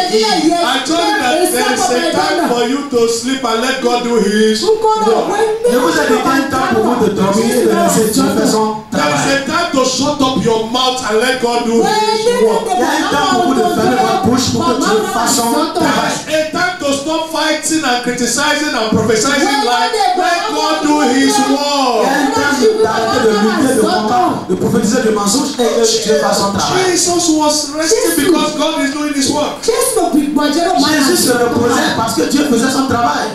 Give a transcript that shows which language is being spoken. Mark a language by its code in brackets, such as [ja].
[en] I told you that there is a time for you to sleep and let God do his work. [fr] Ne vous êtes pas un temps pour vous de dormir et de laisser Dieu faire son travail. [en] There is a time to shut up your mouth and let God do his work. [fr] Il y a un temps pour vous de fermer votre bouche pour que Dieu fasse son travail. [en] There is a time to stop fighting and criticizing and prophesying like let God do his work. [fr] Il y a un temps d'arrêter de lutter, de combattre, de prophétiser de mensonge et que Dieu fasse son travail. [en] Jesus was resting because God is doing his work. [fr] Jésus se reposait parce que Dieu faisait son travail.